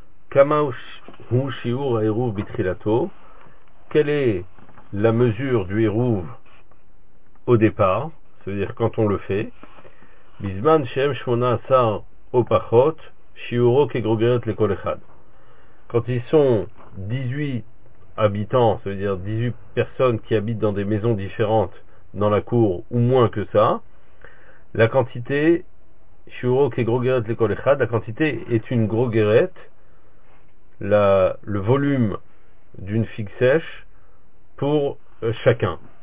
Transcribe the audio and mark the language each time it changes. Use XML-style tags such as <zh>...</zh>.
<he>כמה הוא שיעור העירוב בתחילתו?</he> <fr>Quelle est la mesure du עירוב au départ, c'est-à-dire quand on le fait?</fr> <he>בזמן שהם 18 או פחות, שיעורו כגרוגרת לכל אחד.</he> <fr>Quand ils sont 18 habitants, c'est-à-dire 18 personnes qui habitent dans des maisons différentes dans la cour ou moins que ça, la quantité</fr> <he>Shuro ke grogeret le kol echad,</he> <fr>la quantité est une grogeret, le volume d'une figue sèche pour chacun.</fr>